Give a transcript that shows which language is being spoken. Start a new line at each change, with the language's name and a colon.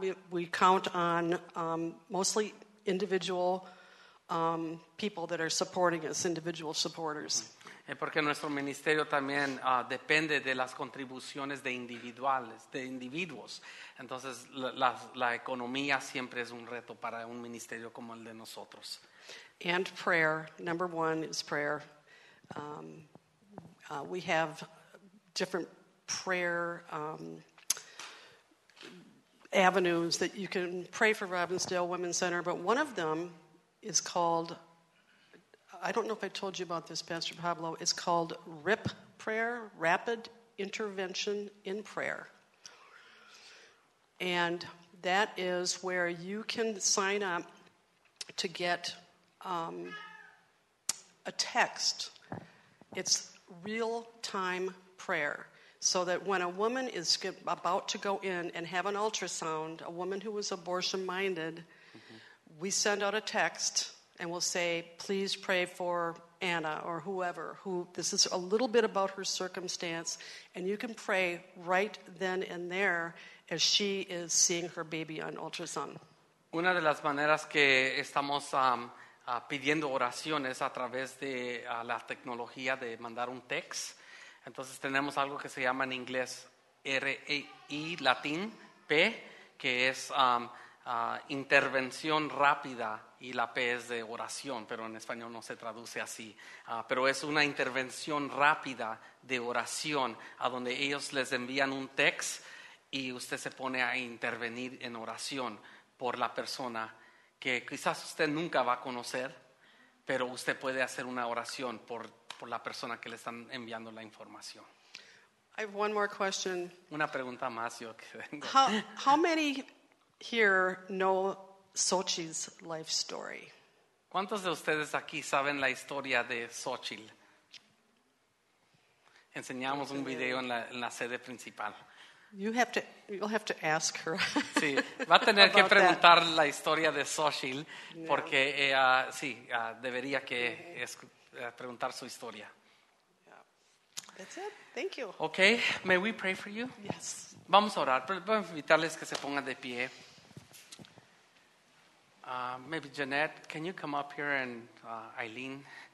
English: We count on mostly individual people that are supporting us, individual supporters.
Spanish: Porque nuestro ministerio también depende de las contribuciones de individuales, de individuos. Entonces, la economía siempre es un reto para un ministerio como el de nosotros.
English: And prayer, number one is prayer. We have different prayer avenues that you can pray for Robbinsdale Women's Center, but one of them is called, I don't know if I told you about this, Pastor Pablo, it's called RIP prayer, Rapid Intervention in Prayer. And that is where you can sign up to get a text. It's real-time prayer. So that when a woman is about to go in and have an ultrasound, a woman who was abortion-minded, we send out a text and we'll say, please pray for Anna or whoever, who this is a little bit about her circumstance, and you can pray right then and there as she is seeing her baby on ultrasound.
Spanish: Una de las maneras que estamos pidiendo oraciones a través de la tecnología de mandar un text. Entonces tenemos algo que se llama en inglés R-E-I, latín, P, que es intervención rápida, y la P es de oración, pero en español no se traduce así. Pero es una intervención rápida de oración, a donde ellos les envían un text y usted se pone a intervenir en oración por la persona que quizás usted nunca va a conocer, pero usted puede hacer una oración por la persona que le están enviando la información.
English: I have one more question.
Spanish: Una pregunta más yo que tengo.
English: How many here know Xochitl's life story?
Spanish: ¿Cuántos de ustedes aquí saben la historia de Xochitl? Enseñamos un video en la sede principal.
English: You'll have to ask her.
Spanish: Sí, va a tener que preguntar
English: that.
Spanish: La historia de Xochitl, no. Porque ella, sí, debería que escuchar. Preguntar su historia.
English: That's it. Thank you. Okay. May we pray for you? Yes.
Spanish: Vamos a orar. Vamos a invitarles que se pongan de pie.
English: Maybe Jeanette, can you come up here and Eileen?